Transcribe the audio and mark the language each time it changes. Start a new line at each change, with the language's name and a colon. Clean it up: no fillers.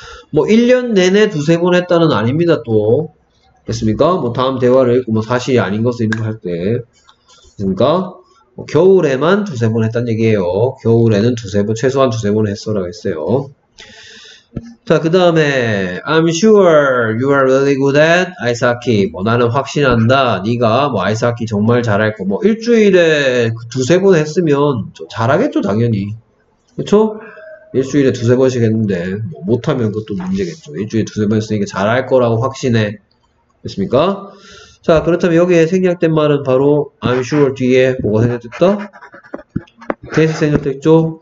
Korean: 뭐, 1년 내내 두세 번 했다는 아닙니다, 또. 됐습니까? 뭐, 다음 대화를 읽고, 뭐, 사실이 아닌 것을 읽고 할 때. 그러니까, 뭐 겨울에만 두세 번 했단 얘기예요. 겨울에는 두세 번, 최소한 두세 번 했어라고 했어요. 자, 그 다음에,
English: I'm sure you are really good at ice hockey.
Korean: 뭐, 나는 확신한다. 네가 뭐, 아이스 하키 정말 잘할 거. 뭐, 일주일에 두세 번 했으면 잘하겠죠, 당연히. 그쵸? 일주일에 두세 번씩 했는데, 뭐 못하면 그것도 문제겠죠. 일주일에 두세 번 했으니까 잘할 거라고 확신해. 됐습니까? 자, 그렇다면 여기에 생략된 말은 바로, I'm sure 뒤에 뭐가 생략됐다? 대시 생략됐죠?